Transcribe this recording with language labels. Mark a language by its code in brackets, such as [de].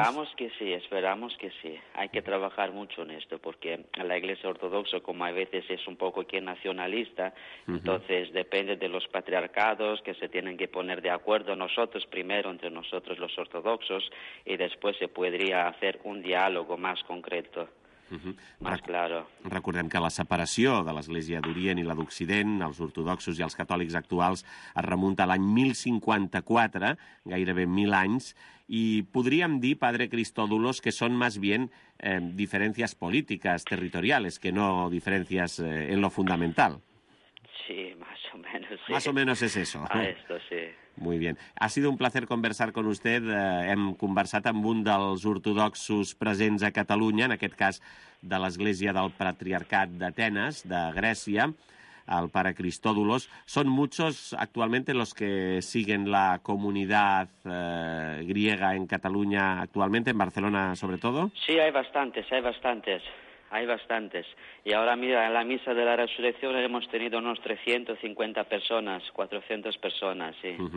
[es] Esperamos que sí, esperamos que sí. Hay que trabajar mucho en esto, porque la Iglesia Ortodoxa, como a veces es un poco que nacionalista, entonces depende de los patriarcados que se tienen que poner de acuerdo nosotros primero, entre nosotros los ortodoxos, y después se podría hacer un diálogo más concreto. Claro. [ca] Recordem que la separació de l'Església d'Orient i la d'Occident, els ortodoxos i els catòlics actuals, es remunta a l'any 1054, gairebé 1000 anys, i podríem dir, padre Cristòdulos, que són més bien diferències polítiques, territorials, que no diferències en lo fundamental. [es] Sí, más o menos. Sí. Más o menos es eso. A esto, sí. Muy bien. Ha sido un placer conversar con usted. [ca] Hem conversat amb un dels ortodoxos presents a Catalunya, en aquest cas de l'Església del Patriarcat d'Atenes, de Grècia, el pare Cristòdulos. [es] Són muchos actualmente los que siguen la comunidad griega en Catalunya actualmente, en Barcelona sobre todo? Sí, hay bastantes, hay bastantes. Hay bastantes. Y ahora, mira, en la Misa de la Resurrección hemos tenido unos 350 personas, 400 personas, sí.